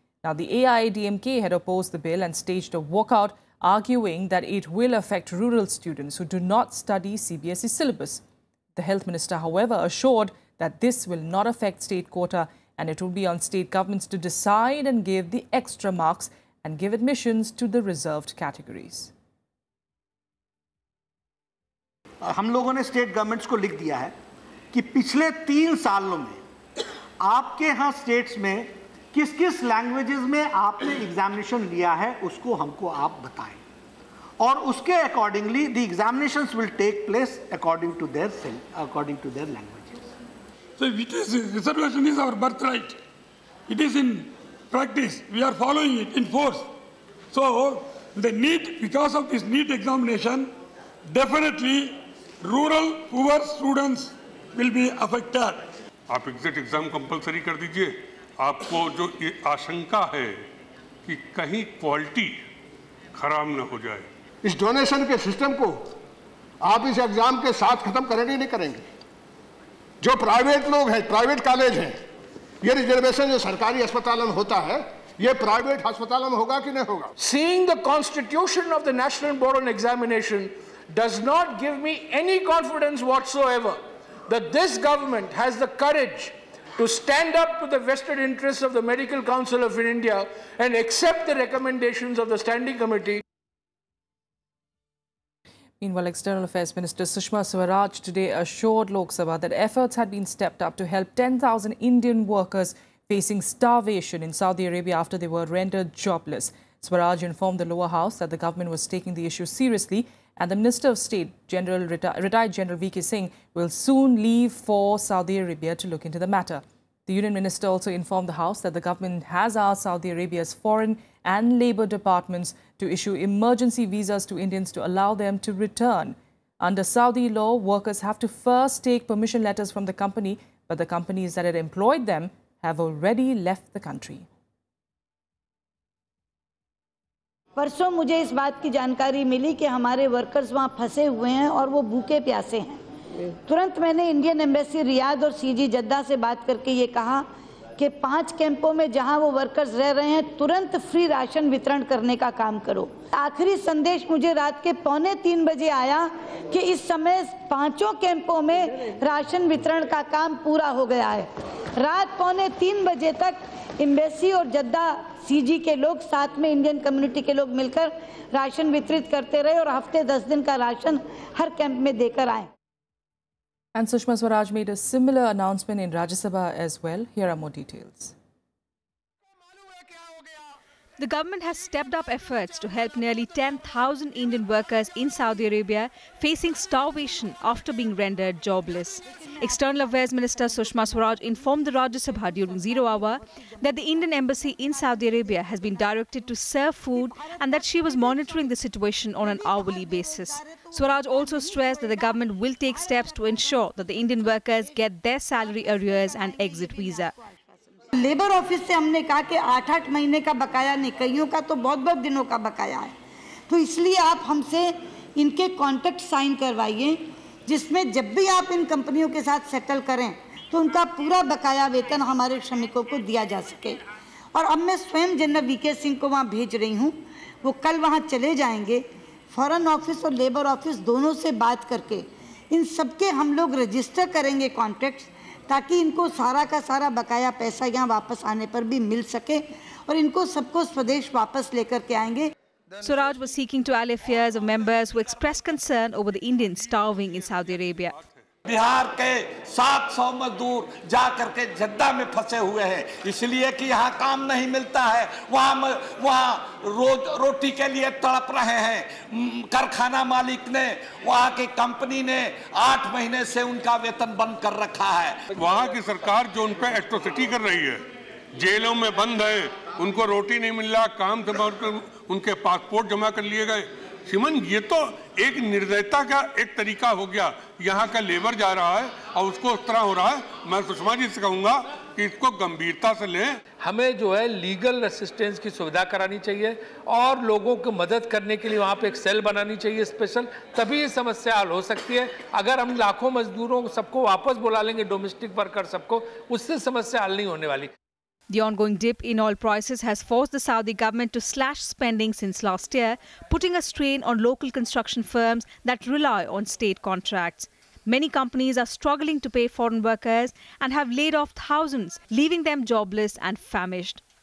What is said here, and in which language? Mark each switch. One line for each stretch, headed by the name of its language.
English: Now, the AIADMK had opposed the bill and staged a walkout, arguing that it will affect rural students who do not study CBSE syllabus. The health minister, however, assured that this will not affect state quota and it will be on state governments to decide and give the extra marks and give admissions to the reserved categories.
Hindi: हम लोगों ने state governments को लिख दिया है कि पिछले तीन सालों में आपके यहाँ स्टेट्स में किस-किस लैंग्वेजेस में आपने एग्जामिनेशन लिया है उसको हमको आप बताएं और उसके accordingly
English: The examinations will take place according to their languages so it is reservation is our birth right it is in practice we are following it in force so the NEET because of this NEET examination definitely rural poor students will be affected.
Hindi: आप exit exam compulsory कर दीजिए आपको जो ये आशंका है कि कहीं क्वालिटी खराब ना हो जाए इस डोनेशन के सिस्टम को आप इस एग्जाम के साथ खत्म करेंगे नहीं करेंगे जो प्राइवेट लोग हैं प्राइवेट कॉलेज हैं ये रिजर्वेशन जो सरकारी अस्पताल में होता है ये प्राइवेट अस्पताल में होगा कि नहीं होगा
English: Seeing the constitution of the national board on examination does not give me any confidence whatsoever that this government has the courage to stand up to the vested interests of the Medical Council of India and accept the recommendations of the Standing Committee. Meanwhile, External Affairs Minister Sushma Swaraj today assured Lok Sabha that efforts had been stepped up to help 10,000 Indian workers facing starvation in Saudi Arabia after they were rendered jobless. Swaraj informed the lower house that the government was taking the issue seriously and the Minister of State, retired General V.K. Singh, will soon leave for Saudi Arabia to look into the matter. The Union Minister also informed the House that the government has asked Saudi Arabia's foreign and labour departments to issue emergency visas to Indians to allow them to return. Under Saudi law, workers have to first take permission letters from the company, but the companies that had employed them have already left the country.
Hindi: परसों मुझे इस बात की जानकारी मिली कि हमारे workers वहाँ फंसे हुए हैं और वो भूखे प्यासे हैं तुरंत मैंने इंडियन एम्बेसी रियाद और सीजी जद्दा से बात करके ये कहा कि पांच कैंपों में जहाँ वो वर्कर्स रह रहे हैं तुरंत फ्री राशन वितरण करने का काम करो आखिरी संदेश मुझे रात के 2:45 बजे आया कि इस समय पाँचों कैंपों में राशन वितरण का काम पूरा हो गया है रात 2:45 बजे तक एम्बेसी और जद्दा सीजी के लोग साथ में इंडियन कम्युनिटी के लोग मिलकर राशन वितरित करते रहे और हफ्ते 10 दिन का राशन हर कैंप में देकर आए
English: And Sushma Swaraj made a similar announcement in Rajya Sabha as well. Here are more details. The government has stepped up efforts to help nearly 10,000 Indian workers in Saudi Arabia facing starvation after being rendered jobless. External Affairs Minister Sushma Swaraj informed the Rajya Sabha during Zero Hour that the Indian embassy in Saudi Arabia has been directed to serve food and that she was monitoring the situation on an hourly basis. Swaraj also stressed that the government will take steps to ensure that the Indian workers get their salary arrears and exit visa.
Hindi: Labour office से हमने कहा कि 8-8 महीने का बकाया नहीं, कईयों का तो बहुत-बहुत दिनों का बकाया है, तो इसलिए आप हमसे इनके कॉन्ट्रैक्ट साइन करवाइए, जिसमें जब भी आप इन कंपनियों के साथ सेटल करें, तो उनका पूरा बकाया वेतन हमारे श्रमिकों को दिया जा सके, और अब मैं स्वयं जनरल वीके सिंह को वहाँ भेज रही हूँ, वो कल वहाँ चले जाएंगे, फॉरेन ऑफिस और लेबर ऑफिस दोनों से बात करके इन सबके हम लोग रजिस्टर करेंगे कॉन्ट्रैक्ट्स, ताकि इनको सारा का सारा बकाया पैसा यहाँ वापस आने पर भी मिल सके और इनको सबको स्वदेश वापस लेकर के आएंगे.
English: Swaraj was seeking to allay fears of members who expressed concern over the Indians starving in Saudi Arabia.
Hindi: Bihar के 700 मजदूर जा करके जद्दा में फंसे हुए हैं, इसलिए कि यहाँ काम नहीं मिलता है, वहाँ रोज रोटी के लिए तड़प रहे हैं. कारखाना मालिक ने, वहाँ की कंपनी ने 8 महीने से उनका वेतन बंद कर रखा है. वहाँ की सरकार जो उन पर एट्रोसिटी कर रही है, जेलों में बंद है, उनको रोटी नहीं मिल रहा, काम से उनके पासपोर्ट जमा कर लिए गए. सिमन, ये तो एक निर्दयता का एक तरीका हो गया. यहाँ का लेबर जा रहा है और उसको उस तरह हो रहा है. मैं सुषमा जी से कहूँगा कि इसको गंभीरता से लें. हमें जो है लीगल असिस्टेंस की सुविधा करानी चाहिए और लोगों को मदद करने के लिए वहाँ पे एक सेल बनानी चाहिए स्पेशल, तभी ये समस्या हल हो सकती है. अगर हम लाखों मजदूरों सबको वापस बुला लेंगे, डोमेस्टिक वर्कर सबको, उससे समस्या हल नहीं होने वाली.
English: The ongoing dip in oil prices has forced the Saudi government to slash spending since last year, putting a strain on local construction firms that rely on state contracts. Many companies are struggling to pay foreign workers and have laid off thousands, leaving them jobless and famished.